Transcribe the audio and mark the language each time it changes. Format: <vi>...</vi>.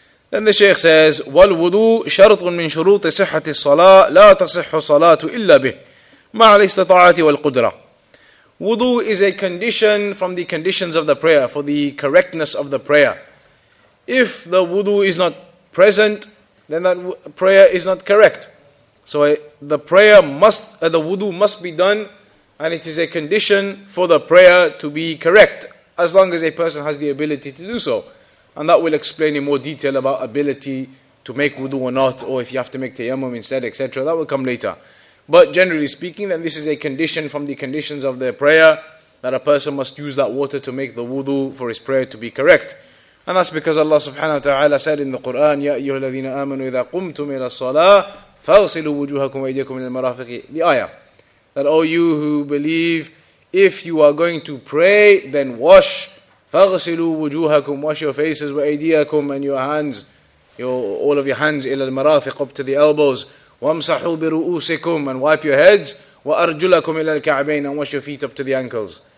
<en>Then the Shaykh says,</en> <ar>وَالْوُدُوء شَرْطٌ مِّن شُرُوطِ صِحَّةِ الصَّلَاةِ لَا تَصِحُّ صَلَاةُ إِلَّا بِهِ مَعَ الْإِسْتَطَاعَةِ وَالْقُدْرَةِ.</ar> <en>Wudu is a condition from the conditions of the prayer, for the correctness of the prayer. If the wudu is not present, then that prayer is not correct. So the wudu must be done, and it is a condition for the prayer to be correct, as long as a person has the ability to do so. And that will explain in more detail about ability to make wudu or not, or if you have to make tayammum instead, etc. That will come later. But generally speaking, then this is a condition from the conditions of their prayer, that a person must use that water to make the wudu for his prayer to be correct. And that's because Allah subhanahu wa ta'ala said in the Quran,</en> <ar>يَا أَيُّهَا الَّذِينَ آمَنُوا إِذَا قُمْتُمْ إِلَى الصَّلَاةِ فَاغْسِلُوا وُجُوهَكُمْ وَأَيْدِيَكُمْ إِلَى الْمَرَافِقِ.</ar> <en>The ayah. That, O you who believe, if you are going to pray, then wash.</en> <ar>فَاغْسِلُوا وُجُوهَكُمْ,</ar> <en>wash your faces,</en> <ar>وَأَيْدِيَكُمْ,</ar> <en>and your hands, all of your hands,</en> <ar>إِلَى الْمَرَافِقِ,</ar> <en>up to the elbows.</en> <ar>وَامْسَحُوا بِرُؤُوسِكُمْ,</ar> <en>and wipe your heads.</en> <ar>وَأَرْجُلَكُمْ إِلَى الْكَعْبَيْنِ,</ar> <en>and wash your feet up to the ankles.</en>